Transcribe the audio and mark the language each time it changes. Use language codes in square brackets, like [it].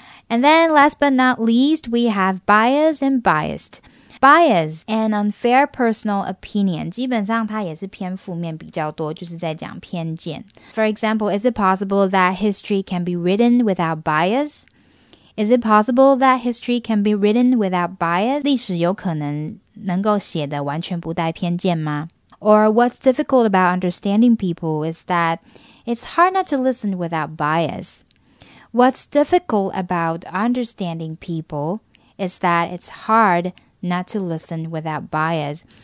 [en] And then last but not least, we have bias and biased. Bias, an unfair personal opinion. [zh] 基本上它也是偏负面比较多，就是在讲偏见. [en] For example, is it possible that history can be written without bias? Is it possible that history can be written without bias? [zh] 历史有可能能够写的完全不带偏见吗? [en] Or what's difficult about understanding people is that it's hard not to listen without bias. What's difficult about understanding people is that it's hard not to listen without bias.